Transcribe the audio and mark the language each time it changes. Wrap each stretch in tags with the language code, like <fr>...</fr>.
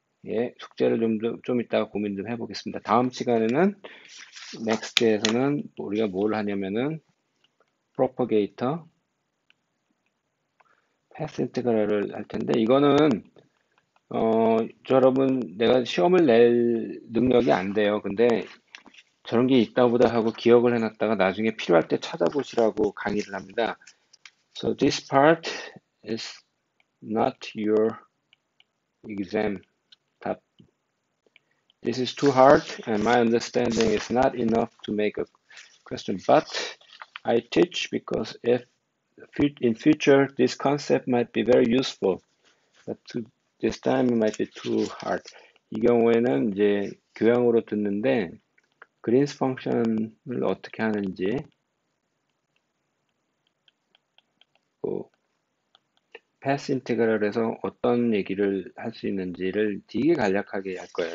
<ko>예, 숙제를 좀 이따가 고민 좀 해보겠습니다. 다음 시간에는 넥스트에서는 우리가 뭘 하냐면은 프로퍼게이터 패스 인테그랄을 할 텐데 이거는 여러분 내가 시험을 낼 능력이 안 돼요. 근데 저런 게 있다 보다 하고 기억을 해놨다가 나중에 필요할 때 찾아보시라고 강의를 합니다.</ko> <en>So this part is not your exam. This is too hard, and my understanding is not enough to make a question. But I teach because if in future this concept might be very useful, but this time it might be too hard.</en> <ko>이 경우에는 이제 교양으로 듣는데 그린스 펑션을 어떻게 하는지 또 패스 인테그랄에서 어떤 얘기를 할수 있는지를 되게 간략하게 할 거예요.</ko>